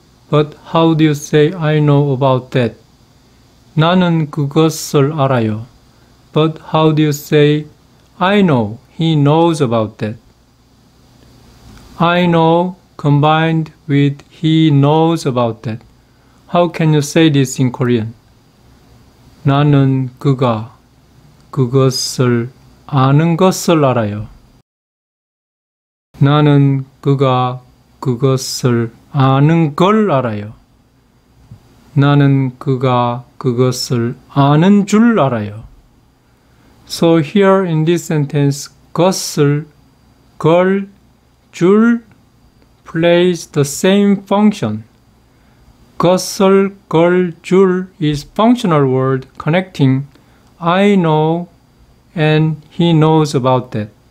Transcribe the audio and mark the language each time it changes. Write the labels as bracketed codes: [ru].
[en] But how do you say I know about that? [ko] 나는 그것을 알아요. [en] But how do you say I know he knows about that? I know combined with he knows about that. How can you say this in Korean? [ko] 나는 그가 그것을 아는 것을 알아요. 나는 그가 그것을 아는 걸 알아요. 나는 그가 그것을 아는 줄 알아요. [en] So here in this sentence, [ko] 것을, 걸, 줄 [en] plays the same function. [ko] 것을, 걸, 줄 [en] is functional word connecting I know and he knows about that.